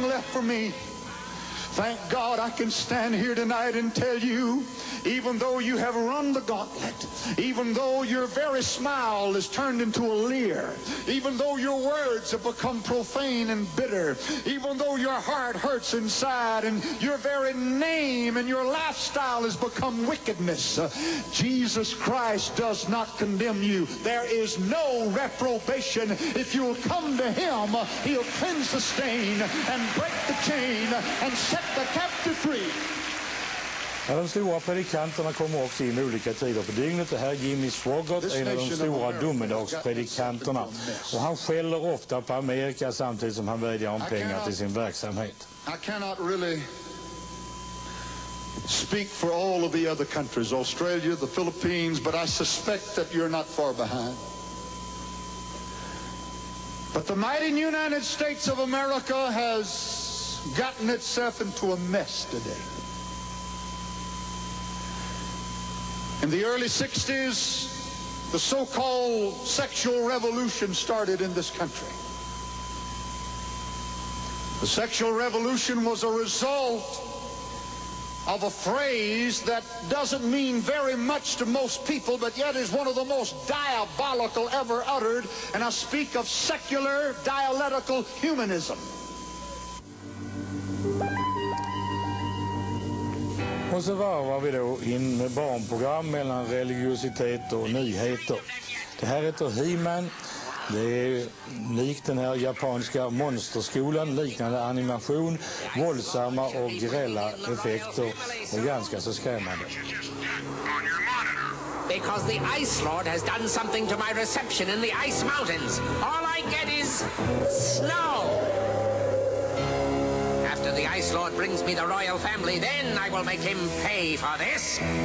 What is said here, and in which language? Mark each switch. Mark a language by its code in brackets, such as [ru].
[en] For me, thank God I can stand here tonight and tell you, even though you have run the gauntlet, even though your very smile is turned into a leer, even though your words have become profane and bitter, even though your heart hurts inside and your very name and your lifestyle has become wickedness, Jesus Christ does not condemn you. There is no reprobation. If you'll come to him, he'll cleanse the stain and break the chain and set the captive free. [sv] Ja, de stora predikanterna kommer också in olika tider på dygnet. Det här är Jimmy Swaggart, en av de stora domedagspredikanterna. Och han skäller ofta på Amerika samtidigt som han vädjar om pengar till sin verksamhet. [en] I cannot really speak for all of the other countries, Australia, the Philippines, but I suspect that you're not far behind. But the mighty United States of America has gotten itself into a mess today. In the early 60s, the so-called sexual revolution started in this country. The sexual revolution was a result of a phrase that doesn't mean very much to most people, but yet is one of the most diabolical ever uttered, and I speak of secular dialectical humanism. [sv] Och så varvar vi då in med barnprogram mellan religiositet och nyheter. Det här heter He-Man. Det är lik den här japanska monsterskolan, liknande animation, våldsamma och grälla effekter och ganska så skrämmande. [en] Because the Ice Lord has done something to my reception in the Ice Mountains. All I get is snow. After the Ice Lord brings me the royal family, then I will make him pay for this.